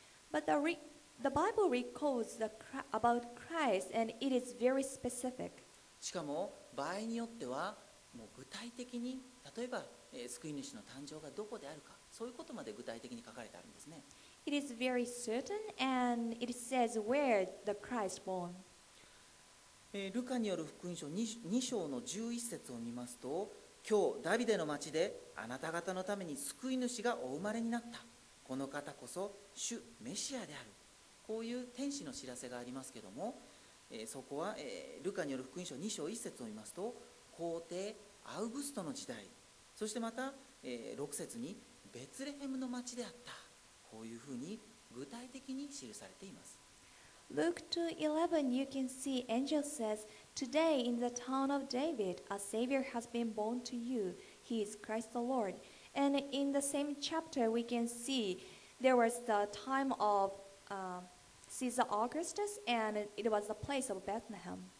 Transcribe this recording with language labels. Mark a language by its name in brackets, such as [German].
[English] But the Bible records about Christ and it is very specific. [Japanese] しかも場合によってはもう具体的に、例えば救い主の誕生がどこであるか、そういうことまで具体的に書かれてあるんですね。 [English] It is very certain and it says where the Christ born. [Japanese] ルカによる福音書 2章の11節を見ますと、今日ダビデの町であなた方のために救い主がお生まれになった、この方こそ主メシアである、こういう天使の知らせがありますけども、そこは、ルカによる福音書2章1節を見ますと、皇帝アウグストの時代、そしてまた、6節にベツレヘムの町であった、こういうふうに具体的に記されています。 [English] Luke 2:11 you can see angel says today in the town of David a savior has been born to you, he is Christ the Lord. And in the same chapter we can see there was the time ofCaesar Augustus and it was the place of Bethlehem.